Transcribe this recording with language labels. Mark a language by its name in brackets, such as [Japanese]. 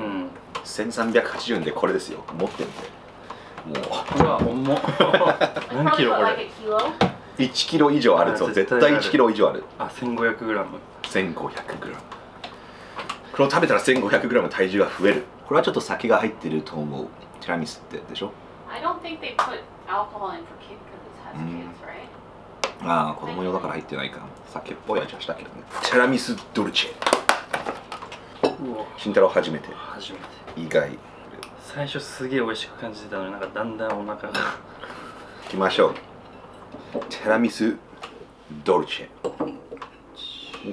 [Japanese] うん、1380円でこれですよ。持ってみて。もう。うわ、重っ。何キロこれ。 1キロ以上あるぞ。絶対1キロ以上ある。あ、1500グラム。 1500グラム。これを食べたら1500グラム体重が増える。これはちょっと酒が入ってると思う。ティラミスってでしょ。 [English] I don't think they put alcohol in for kids because it has kids, right? [Japanese] あ、子供用だから入ってないか。酒っぽい味はしたけどね。ティラミスドルチェ。慎太郎初めて。初めて。意外。最初すげえ美味しく感じてたのに、なんかだんだんお腹が。いきましょう。テラミスドルチェ。